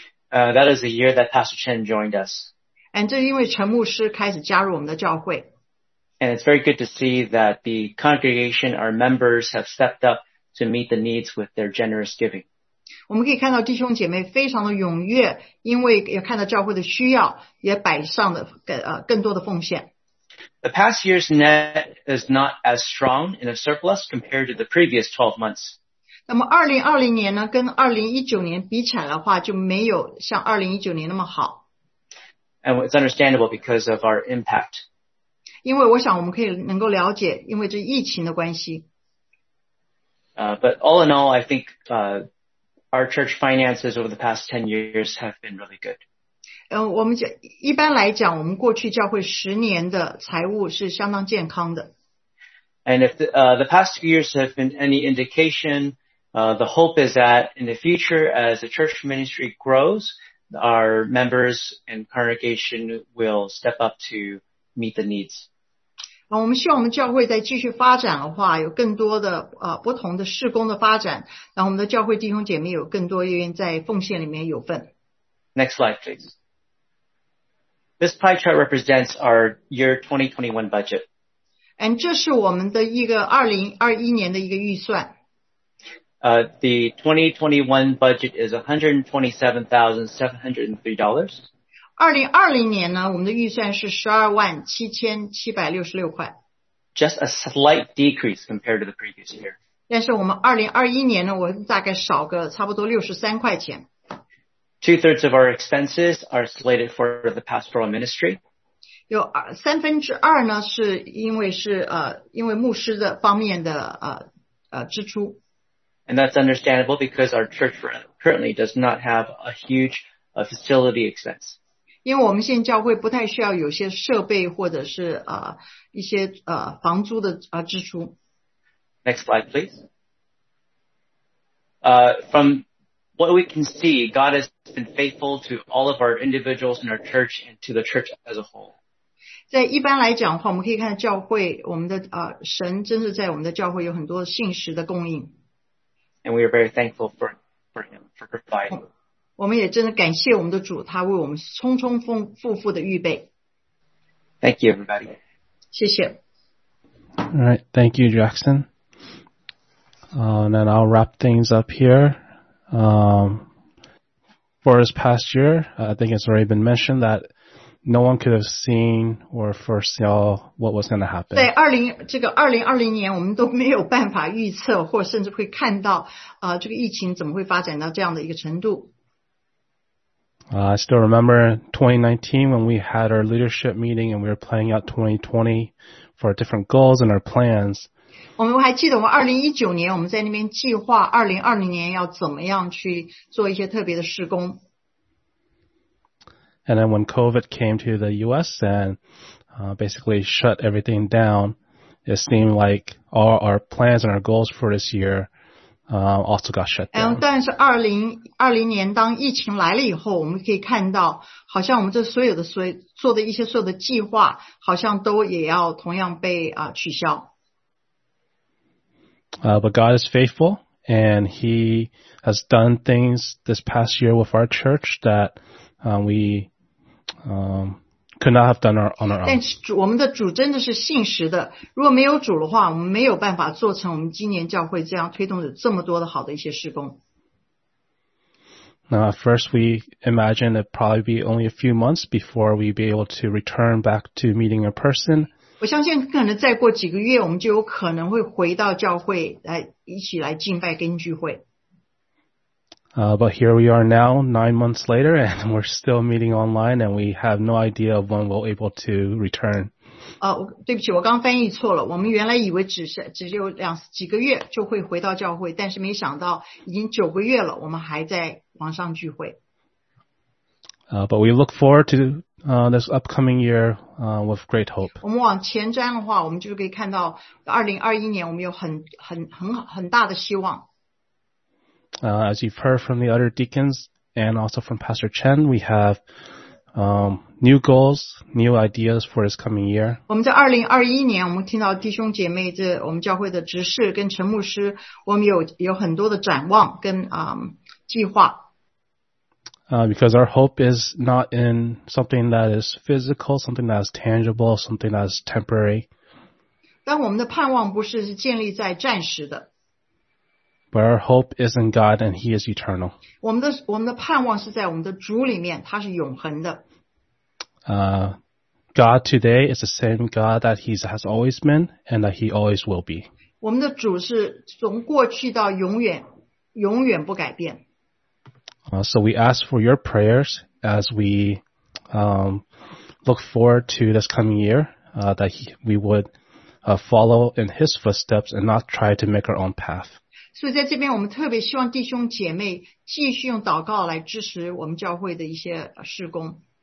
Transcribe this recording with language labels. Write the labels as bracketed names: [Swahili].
[English] That is the year that Pastor Chen joined us. [Chinese] And 这是因为陈牧师开始加入我们的教会。 [English] And it's very good to see that the congregation, our members, have stepped up to meet the needs with their generous giving. [Chinese] 我们可以看到弟兄姐妹非常的踊跃，因为也看到教会的需要，也摆上了更多的奉献。 [English] The past year's net is not as strong in a surplus compared to the previous 12 months. [Chinese] 那么2020年呢，跟2019年比起来的话，就没有像2019年那么好。 [English] And it's understandable because of our impact. [Chinese] 因为我想我们可以能够了解因为这疫情的关系。 [English] But all in all, I think, our church finances over the past 10 years have been really good. [Chinese] 我们一般来讲我们过去教会十年的财务是相当健康的。 [English] And if the past few years have been any indication, the hope is that in the future as the church ministry grows, our members and congregation will step up to meet the needs. [Chinese] 我们希望我们教会在继续发展的话有更多的不同的事工的发展然后我们的教会弟兄姐妹有更多愿意在奉献里面有份。 [English] Next slide, please. This pie chart represents our year 2021 budget. [Chinese] And 这是我们的一个2021年的一个预算。 [English] The 2021 budget is $127,703. [Chinese] 2020年呢，我们的预算是127,766块。 [English] Just a slight decrease compared to the previous year. [Chinese] 但是我们2021年呢，我大概少个差不多63块钱。 [English] 2/3 of our expenses are slated for the pastoral ministry. [Chinese] 有三分之二呢，是因为是因为牧师的方面的支出。 [English] And that's understandable because our church currently does not have a huge facility expense. [Chinese] 因为我们现在教会不太需要有些设备或者是一些房租的支出。 [English] Next slide, please. From what we can see, God has been faithful to all of our individuals in our church and to the church as a whole. [Chinese] 在一般来讲的话，我们可以看到教会，我们的神真是在我们的教会有很多信实的供应。 [English] And we are very thankful for him, for providing. [Chinese] 我们也真的感谢我们的主，他为我们充充富富的预备。 [English] Thank you, everybody. [Chinese] 谢谢。 [English] All right, thank you, Jackson. And then I'll wrap things up here. For this past year, I think it's already been mentioned that no one could have seen or foresaw what was going to happen. [Chinese] 在2020年，我们都没有办法预测，或甚至会看到这个疫情怎么会发展到这样的一个程度。 [English] I still remember 2019 when we had our leadership meeting and we were planning out 2020 for different goals and our plans. [Chinese] 我们还记得我们2019年我们在那边计划2020年要怎么样去做一些特别的事工。 [English] And then when COVID came to the U.S. and basically shut everything down, it seemed like all our plans and our goals for this year also got shut down. [Chinese] 但是2020年当疫情来了以后，我们可以看到，好像我们这所有的做的一些所有的计划，好像都也要同样被取消。 [English] But God is faithful, and He has done things this past year with our church that we could not have done on our own. [Chinese] 但是我们的主真的是信实的，如果没有主的话，我们没有办法做成我们今年教会这样推动的这么多的好的一些事工。 [English] At first we imagined it probably be only a few months before we'd be able to return back to meeting in person. [Chinese] 我相信可能再过几个月，我们就有可能会回到教会来一起来敬拜跟聚会。 [English] But here we are now, 9 months later, and we're still meeting online, and we have no idea of when we'll able to return. [Chinese] 对不起，我刚翻译错了。我们原来以为只有几个月就会回到教会，但是没想到已经九个月了，我们还在网上聚会。 [English] But we look forward to this upcoming year with great hope. [Chinese] 我们往前瞻的话，我们就可以看到2021年我们有很大的希望。 [English] As you've heard from the other deacons and also from Pastor Chen, we have new goals, new ideas for this coming year. [Chinese] 我们在2021年，我们听到弟兄姐妹这我们教会的执事跟陈牧师，我们有很多的展望跟计划。 [English] Because our hope is not in something that is physical, something that is tangible, something that is temporary. [Chinese] 但我们的盼望不是建立在暂时的。 [English] But our hope is in God and He is eternal. [Chinese] 我们的盼望是在我们的主里面，他是永恒的。 [English] God today is the same God that He has always been and that He always will be. [Chinese] 我们的主是从过去到永远，永远不改变。 [English] So we ask for your prayers as we look forward to this coming year, that we would follow in His footsteps and not try to make our own path. [Chinese] 所以在这边我们特别希望弟兄姐妹继续用祷告来支持我们教会的一些事工。